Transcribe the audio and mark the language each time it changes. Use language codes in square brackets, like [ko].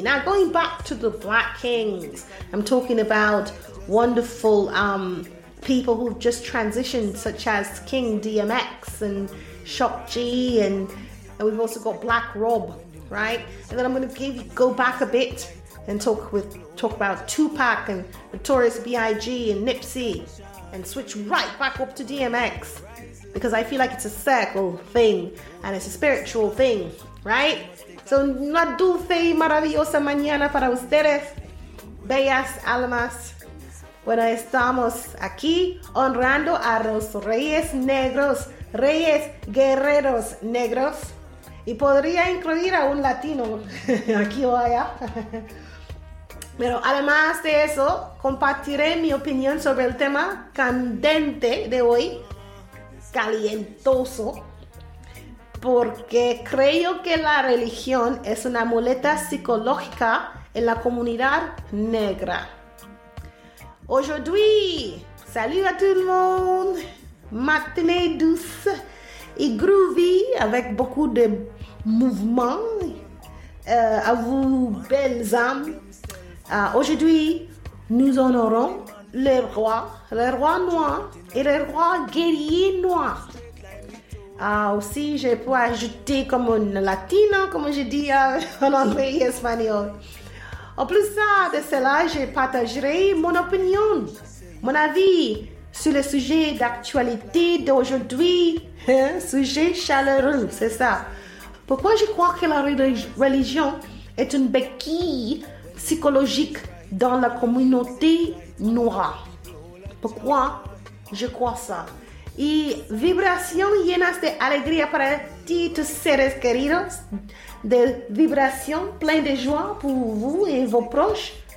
[en] Now, going back to the black kings, I'm talking about wonderful people who've just transitioned, such as King DMX and Shock G, and we've also got Black Rob, right? And then I'm going to go back a bit and talk about Tupac and Notorious B.I.G. and Nipsey. And switch right back up to DMX, because I feel like it's a circle thing and it's a spiritual thing, right? [es] So, una dulce y maravillosa mañana para ustedes, bellas almas. Bueno, estamos aquí honrando a los reyes negros, reyes guerreros negros, y podría incluir a un latino aquí o allá. Pero además de eso, compartiré mi opinión sobre el tema candente de hoy, calientoso, porque creo que la religión es una muleta psicológica en la comunidad negra. [fr] Aujourd'hui, salut à tout le monde, matinée douce y groovy avec beaucoup de mouvement à vous belles âmes. Aujourd'hui, nous honorons le roi noir et le roi guerrier noir. Aussi, je peux ajouter comme une latina, comme je dis en anglais et espagnol. En plus ça, de cela, je partagerai mon opinion, mon avis sur le sujet d'actualité d'aujourd'hui, hein, sujet chaleureux, c'est ça. Pourquoi je crois que la religion est une béquille psychologique dans la communauté noire? Pourquoi je crois ça? Et vibrations [es] llenas de alegría para ti, tus seres queridos. [fr] Des vibrations pleines de joie pour vous et vos proches.